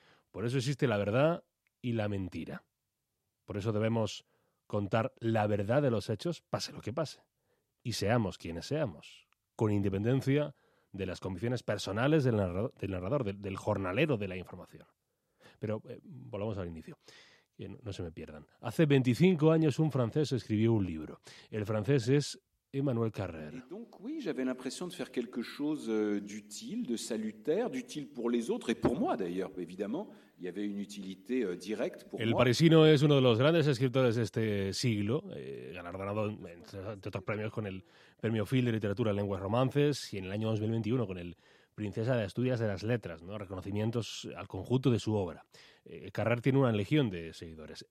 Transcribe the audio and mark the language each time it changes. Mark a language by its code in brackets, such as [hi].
[es] Por eso existe la verdad y la mentira. Por eso debemos contar la verdad de los hechos, pase lo que pase, y seamos quienes seamos, con independencia de las convicciones personales del narrador, del jornalero de la información. Pero volvamos al inicio, que no se me pierdan. Hace 25 años un francés escribió un libro. El francés es Emmanuel Carrère. [fr] Et donc oui, j'avais l'impression de faire quelque chose d'utile, de salutaire, d'utile pour les autres et pour moi d'ailleurs. Évidemment, il y avait une utilité directe pour moi. [es] El parisino es uno de los grandes escritores de este siglo, galardonado entre otros premios con el Premio Fil de Literatura Lenguas Romances y en el año 2021 con el Princesa de Asturias de las Letras, ¿no? Reconocimientos al conjunto de su obra. Carrère tiene una legión de seguidores.